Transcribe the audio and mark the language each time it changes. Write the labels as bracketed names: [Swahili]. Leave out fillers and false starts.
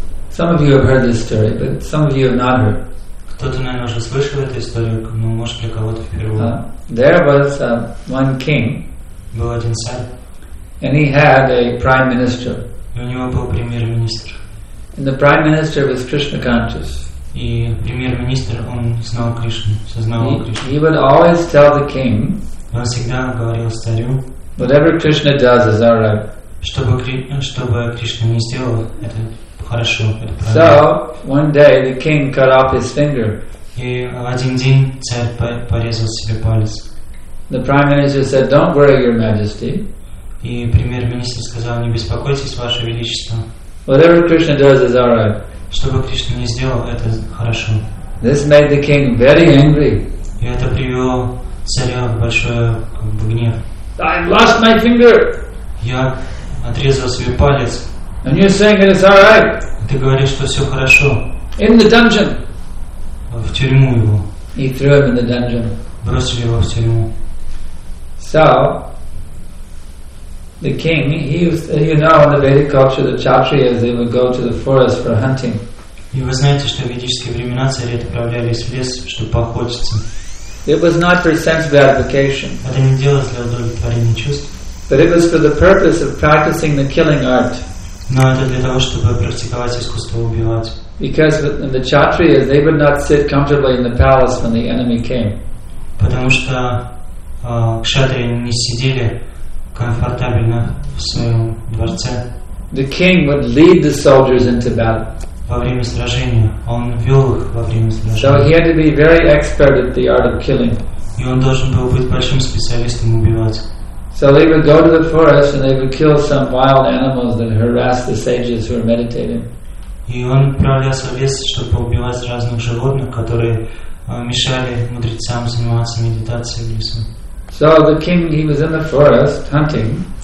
[English] Some of you have heard this story, but some of you have not heard. [Russian] Кто-то, наверное, уже слышал эту историю, но может для кого-то впервые. [English] There was one king. [Russian] Был один царь. [English] And he had a prime minister. [Russian] И у него был премьер-министр. [English] And the prime minister was Krishna conscious. [Russian] И премьер-министр, он знал Кришну, сознавал Кришну. [English] He would always tell the king. [Russian] Он всегда говорил царю. [English] Whatever Krishna does is all right. [Russian] Чтобы Кришна не сделал, это хорошо, это правильно. [English] So one day the king cut off his finger. [Russian] И один день царь порезал себе палец. [English] The prime minister said, "Don't worry, your majesty." [Russian] И премьер-министр сказал: "Не беспокойтесь, ваше величество." [English] Whatever Krishna does is all right. [Russian] Что бы Кришна ни сделал, это хорошо. [English] This made the king very angry. [Russian] И это привело царя в большой гнев. [English] I lost my finger. [Russian] Я отрезал себе палец. [English] And you're saying it's all right. [Russian] Ты говоришь, что все хорошо. [English] In the dungeon. [Russian] В тюрьму его. [English] He threw him in the dungeon. [Russian] Бросили его в тюрьму. [English] So the king, he used, you know, in the Vedic culture, the Kshatriyas, they would go to the forest for hunting. [Russian] И вы знаете, что в ведические времена цари отправлялись в лес, чтобы охотиться. [English] It was not for sense gratification. [Russian] Это не делалось для удовлетворения чувств. [English] But it was for the purpose of practicing the killing art. [Russian] Но это для того, чтобы практиковать искусство убивать. [English] Because the Kshatriyas, they would not sit comfortably in the palace when the enemy came. [Russian] Потому что кшатрии не сидели комфортабельно в своем дворце. [English] The king would lead the soldiers into battle. [Russian] Во время сражения он вел их во время сражения. [English] So he had to be very expert at the art of killing. [Russian] И он должен был быть большим специалистом убивать. [English] So they would go to the forest and they would kill some wild animals that harassed the sages who were meditating. [Russian] И он отправлялся в лес, чтобы убивать разных животных, которые мешали мудрецам заниматься медитацией в лесу. [English] So the king, he was in the forest hunting.